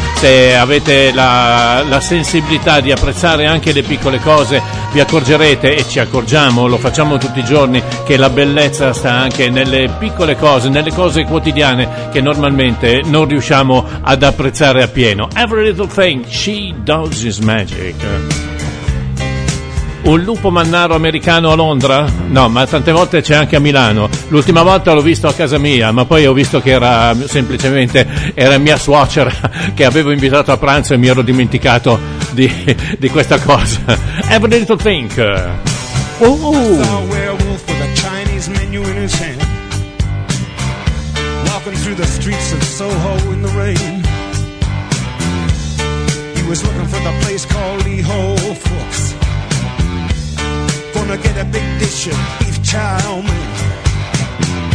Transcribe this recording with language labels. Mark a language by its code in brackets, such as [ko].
[it] Se avete la sensibilità di apprezzare anche le piccole cose, vi accorgerete, e ci accorgiamo, lo facciamo tutti i giorni, che la bellezza sta anche nelle piccole cose, nelle cose quotidiane che normalmente non riusciamo ad apprezzare appieno. [en] Every little thing she does is magic. [it] Un lupo mannaro americano a Londra? No, ma tante volte c'è anche a Milano. L'ultima volta l'ho visto a casa mia, ma poi ho visto che era semplicemente era mia suocera che avevo invitato a pranzo e mi ero dimenticato di questa cosa. [en] Every little thing. Oh. I saw a werewolf with a Chinese menu in his hand, walking through the streets of Soho in the rain. He was looking for the place called Lee Ho Fooks. Gonna get a big dish of beef chow mein.